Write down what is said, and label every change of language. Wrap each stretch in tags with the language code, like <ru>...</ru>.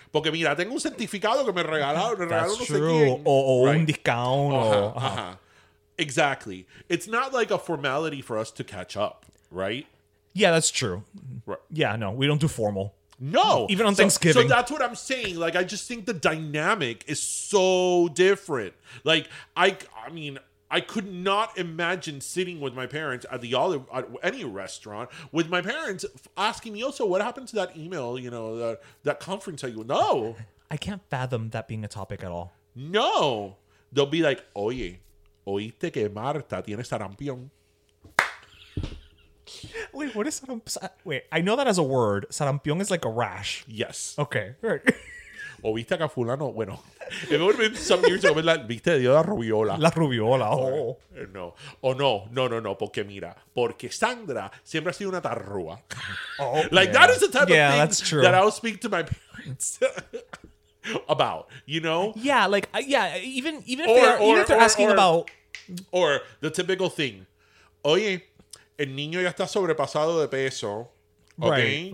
<es>Porque mira, tengo un certificado que me regalaron.</es> <en>That's true.</en> <es>O un</es> <en>discount. Exactly. It's not like a formality for us to catch up, right? Yeah, that's true. Right. Yeah, no, we don't do formal. No. Even on Thanksgiving. So that's what I'm saying. Like, I just think the dynamic is so different. Like, I mean, I could not imagine sitting with my parents at any restaurant with my parents asking me, also, what happened to that email, you know, that conference? No. I can't fathom that being a topic at all. No. They'll be like,</en> <es>oye, oíste que Marta tiene sarampión.</es> <en>Wait, what is sarampión? Wait, I know that as a word. Sarampión is like a rash. Yes. Okay.</en> <es>O viste acá fulano.</es> <en>Bueno, it would have been some years ago.</en> <es>Viste, dio la rubiola. La rubiola. Oh.</es> <en>No. Oh, no. No, no, no.</en> <es>Porque mira, porque Sandra siempre ha sido una tarrúa.</es> <en>Oh, like, yeah. That is the type of thing that's true. That I'll speak to my parents about, you know? Yeah, like, yeah, even if they're asking about... Or the typical thing.</en> <es>Oye... El niño ya está sobrepasado de peso. Okay?</es>